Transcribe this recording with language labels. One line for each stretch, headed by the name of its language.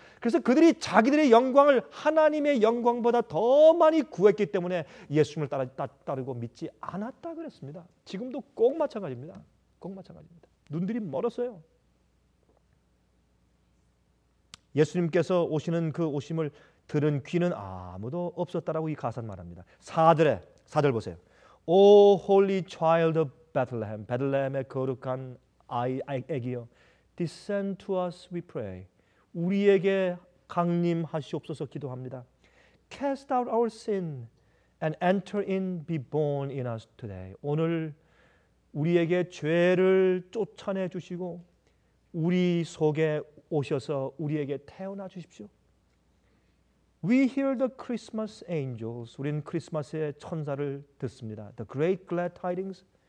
Korean: 그래서 그들이 자기들의 영광을 하나님의 영광보다 더 많이 구했기 때문에 예수님을 따르고 믿지 않았다 그랬습니다. 지금도 꼭 마찬가지입니다. 꼭 마찬가지입니다. 눈들이 멀었어요. 예수님께서 오시는 그 오심을 들은 귀는 아무도 없었다라고 이 가사는 말합니다. 4절 보세요.
English: O holy child of Bethlehem,
Korean: 베들레헴의 거룩한 아기여,
English: descend to us we pray.
Korean: 우리에게 강림하시옵소서 기도합니다.
English: Cast out our sin and enter in, be born in us today.
Korean: 오늘 우리에게 죄를 쫓아내 주시고 우리 속에 오셔서 우리에게 태어나 주십시오.
English: We hear the Christmas angels.
Korean: 우리는 크리스마스의 천사를 듣습니다.
English: The great glad tidings.